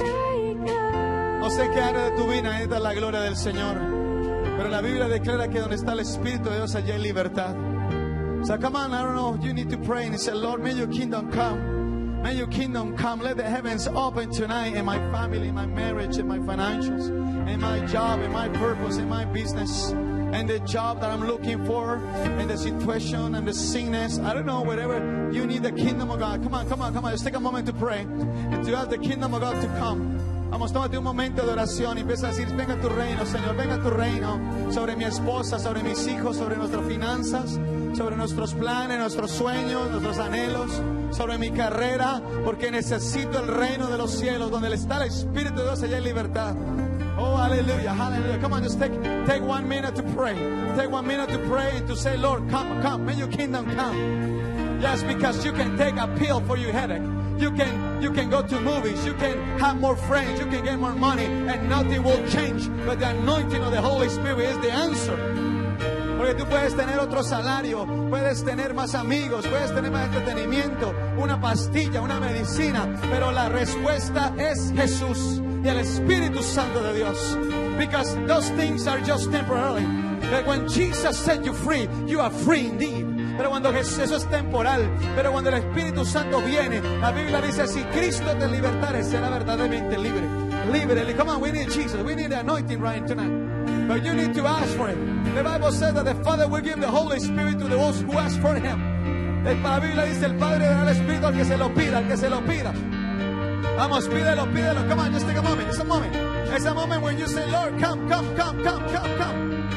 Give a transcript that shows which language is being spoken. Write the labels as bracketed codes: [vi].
[es] No sé qué área de tu vida necesita la gloria del Señor, pero la Biblia declara que donde está el Espíritu de Dios, allá hay libertad. [en] So come on, I don't know, you need to pray and say, Lord, may your kingdom come. May your kingdom come. Let the heavens open tonight in my family, in my marriage, in my financials, in my job, in my purpose, in my business, and the job that I'm looking for, and the situation and the sickness. I don't know, whatever you need, the kingdom of God. Come on, come on, come on. Just take a moment to pray and to ask the kingdom of God to come. [es] Vamos, tómate un momento de oración y empieza a decir, venga tu reino, Señor, venga tu reino sobre mi esposa, sobre mis hijos, sobre nuestras finanzas, sobre nuestros planes, nuestros sueños, nuestros anhelos, sobre mi carrera, porque necesito el reino de los cielos, donde está el Espíritu de Dios, allá hay libertad. [en] Oh, aleluya, aleluya. Come on, just take 1 minute to pray. Take 1 minute to pray and to say, Lord, come, come, may your kingdom come. Yes, because you can take a pill for your headache. You can go to movies, you can have more friends, you can get more money, and nothing will change. But the anointing of the Holy Spirit is the answer. [es] Porque tú puedes tener otro salario, puedes tener más amigos, puedes tener más entretenimiento, una pastilla, una medicina, pero la respuesta es Jesús y el Espíritu Santo de Dios. [en] Because those things are just temporary. But when Jesus set you free, you are free indeed. [es] Pero cuando Jesús, eso es temporal, pero cuando el Espíritu Santo viene, la Biblia dice, si Cristo te libertare, será verdaderamente libre. [en] Libre. Come on, we need Jesus. We need the anointing right tonight. But you need to ask for it. The Bible says that the Father will give the Holy Spirit to those who ask for him. [es] La Biblia dice, el Padre dará el Espíritu al que se lo pida, al que se lo pida. Vamos, pídelo, pídelo. [en] Come on, just take a moment. It's a moment. It's a moment when you say, Lord, come, come, come, come, come, come.